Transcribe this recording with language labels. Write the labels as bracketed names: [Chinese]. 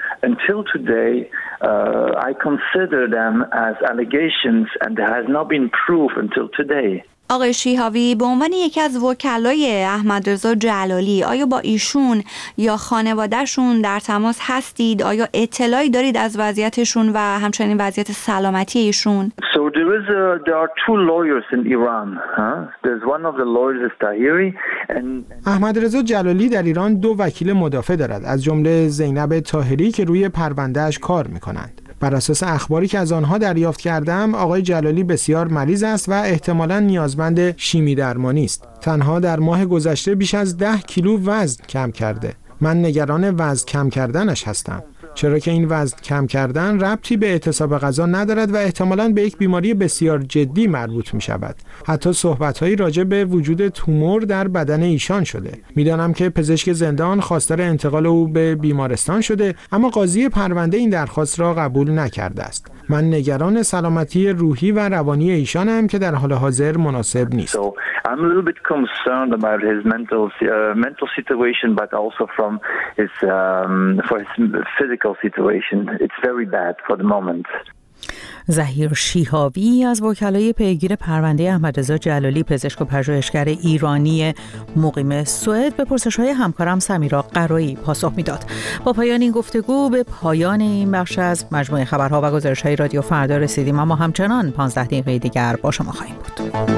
[English] Until today, I consider them as allegations and there has not been proof until today. [Persian] آقای شیهاوی، به عنوان یکی از وکلای احمد رضا جلالی، آیا با ایشون یا خانوادهشون در تماس هستید؟ آیا اطلاعی دارید از وضعیتشون و همچنین وضعیت سلامتی ایشون؟ [English] So there are two lawyers in Iran. There's one of the lawyers is Tahiri and [Persian] احمد رضا جلالی در ایران دو وکیل مدافع دارد، از جمله زینب طاهری که روی پرونده‌اش کار می‌کنند. بر اساس اخباری که از آنها دریافت کردم، آقای جلالی بسیار مریض است و احتمالاً نیازمند شیمی درمانی است. تنها در ماه گذشته بیش از 10 وزن کم کرده. من نگران وزن کم کردنش هستم. چرا که این وزن کم کردن ربطی به اعتصاب غذا ندارد و احتمالاً به یک بیماری بسیار جدی مربوط می شود. حتی صحبت‌هایی راجع به وجود تومور در بدن ایشان شده. می دانم که پزشک زندان خواستار انتقال او به بیمارستان شده اما قاضی پرونده این درخواست را قبول نکرده است. من نگران سلامتی روحی و روانی ایشانم که در حال حاضر مناسب نیست. [English] I'm a little bit concerned about his mental situation, but also from his for his physical situation. It's very bad for the moment. [Persian] زهیر شیهابی از وکلای پیگیر پرونده احمد رضا جلالی، پزشک و پژوهشگر ایرانی مقیم سوئد، به پرسش‌های همکارم سمیرا قرایی پاسخ می‌داد. با پایان این گفتگو به پایان این بخش از مجموعه خبرها و گزارش‌های رادیو فردا رسیدیم، اما همچنان 15 دقیقه دیگر با شما خواهیم بود.